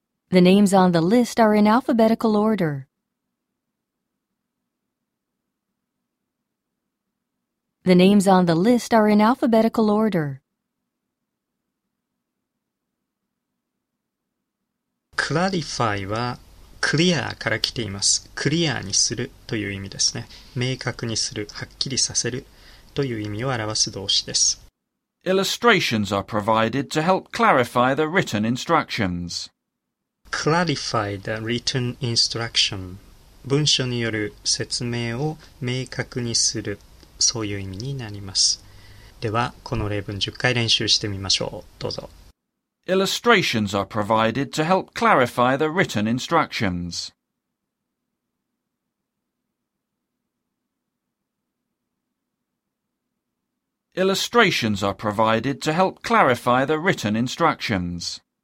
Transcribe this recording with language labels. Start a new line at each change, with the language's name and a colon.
English: The names on the list are in alphabetical order. The names on the list are in alphabetical order.
Japanese: Clarify は clear から来ています。 clear にするという意味ですね。明確にする、はっきりさせるという意味を表す動詞です。
English: Illustrations are provided to help clarify the written instructions. Clarify the written instruction.
Japanese: 文書による説明を明確にする。そういう意味になります。では、この例文10回練習してみましょう。どうぞ。
English: Illustrations are provided to help clarify the written instructions. Illustrations are provided to help clarify the written instructions.